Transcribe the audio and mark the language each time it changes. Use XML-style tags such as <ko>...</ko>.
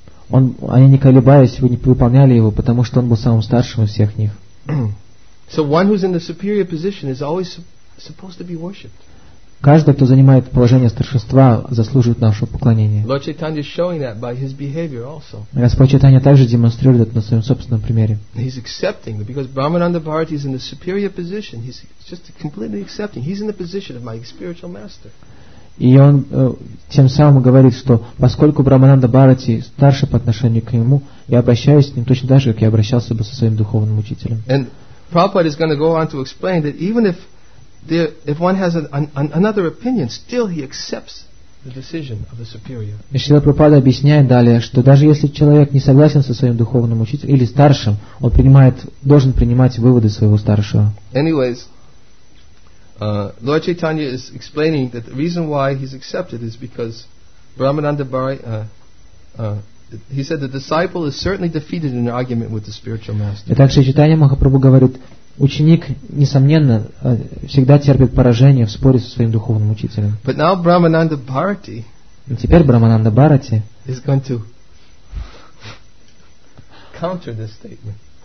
<ru>Они не колебаясь, не выполняли его, потому что он был самым старшим из всех них.</ru> <en>So one who's in the superior position is always supposed to be worshipped.</en> <ru>Каждый, кто занимает положение старшинства, заслуживает нашего поклонения.</ru> <en>Lord Chaitanya is showing that by his behavior also.</en> <ru>Господь Чайтанья также демонстрирует это на своем собственном примере.</ru> <en>He's accepting because Brahmananda Bharati is in the superior position. He's just completely accepting. He's in the position of my spiritual master.</en> <ru>И он тем самым говорит, что поскольку Брамананда Бхарати старше по отношению к нему, я обращаюсь с ним точно так же, как я обращался бы со своим духовным учителем.</ru> <en>And Prabhupada is going to go on to explain that even if there, if one has another opinion, still he accepts the decision of the superior.</en> <ru>Шрила Прабхупада объясняет далее, что даже если человек не согласен со своим духовным учителем или старшим, он принимает, должен принимать выводы своего старшего.</ru> <en>Anyways, Lord Chaitanya is explaining that the reason why he's accepted is because Brahmananda Bhari, he said the disciple is certainly defeated in an argument with the spiritual master.</en> <ru>Итак, Чайтанья Махапрабху говорит, ученик, несомненно, всегда терпит поражение в споре со своим духовным учителем.</ru> <en>But now Brahmananda Bharati,</en> <ru>и теперь Брахмананда Бхарати</ru> <en>is going to counter this statement.</en>